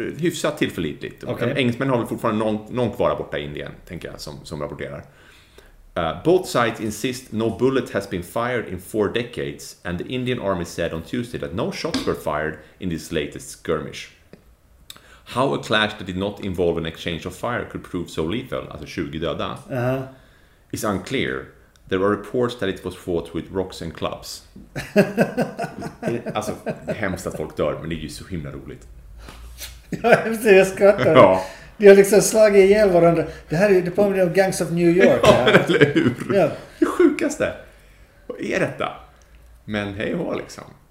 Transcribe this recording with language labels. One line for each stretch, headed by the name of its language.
Swedish: Hyfsat tillförlitligt.
English: Okay.
Swedish: Engelsmän har väl fortfarande någon kvar borta i Indien, tänker jag, som rapporterar.
English: Both sides insist no bullet has been fired in 4 decades and the Indian army said on Tuesday that no shots were fired in this latest skirmish. How a clash that did not involve an exchange of fire could prove so lethal,
Swedish: alltså 20 döda,
English: is unclear. There were reports that it was fought with rocks and clubs.
Swedish: Alltså, det är hemskt att folk dör, men det är ju så himla roligt. Jag skrattar. Ja. De har liksom slagit ihjäl varandra. Det här är ju, det påminner om Gangs of New York. Ja, eller hur? Ja. Det sjukaste. Vad är detta? Men hej och liksom.